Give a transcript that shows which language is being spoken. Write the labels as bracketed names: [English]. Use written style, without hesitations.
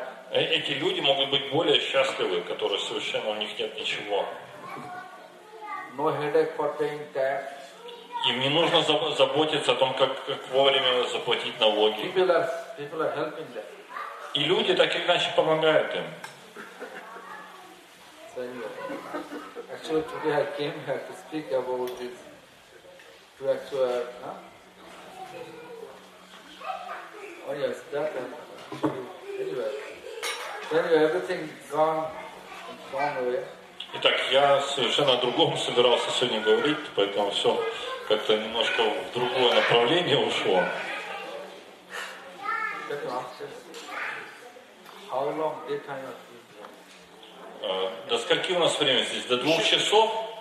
[Russian] Эти люди могут быть более счастливы, которые совершенно у них нет ничего. [English] No headache for paying tax. [Russian] Им не нужно заботиться о том, как вовремя заплатить налоги. [English] People are helping them. [Russian] И люди так или иначе помогают им. [English] Actually, today I came here to speak about this. To actually, huh? Oh yes, that happened. Anyway, everything gone, away. [Russian] Итак, я совершенно о другом собирался сегодня говорить, поэтому все как-то немножко в другое направление ушло. [English] How long did I not? [Russian] До скольки у нас время здесь? До 2 часов?